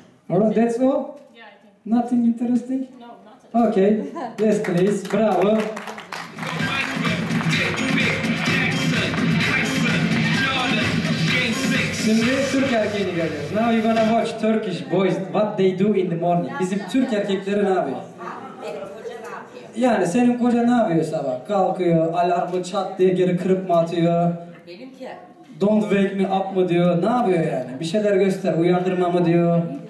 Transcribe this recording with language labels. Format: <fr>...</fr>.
<en>Alright, that's all? Yeah, I think. Nothing interesting? No, not at okay. Yes, please. Bravo. Yeah.</en> <tr>Şimdi Türk erkeğini görüyoruz.</tr> <en>Now you're gonna watch Turkish boys, what they do in the morning.</en> <tr>Bizim Türk erkekleri ne yapıyor? Benim koca ne yapıyor? Yani senin koca ne yapıyor sabah? Kalkıyor, alarmı çat diye geri kırıp mı atıyor? Benimki.</tr> <en>Don't wake me up</en> <tr>mı diyor? Ne yapıyor yani? Bir şeyler göster, uyandırma mı diyor?</tr>